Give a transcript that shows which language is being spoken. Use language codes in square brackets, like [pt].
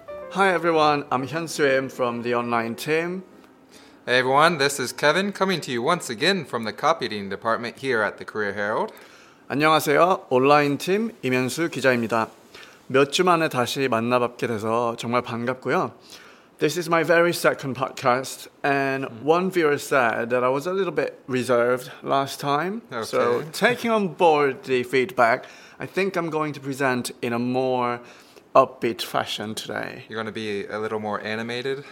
[en] Hi everyone, I'm Hyun Suim from the online team. Hey everyone, this is Kevin coming to you once again from the copy editing department here at the Korea Herald. [ko] 안녕하세요, 온라인 팀 임현수 기자입니다. 몇 주 만에 다시 만나뵙게 돼서 정말 반갑고요. [en] This is my very second podcast, and one viewer said that I was a little bit reserved last time. Okay. So taking on board the feedback, I think I'm going to present in a more upbeat fashion today. You're going to be a little more animated?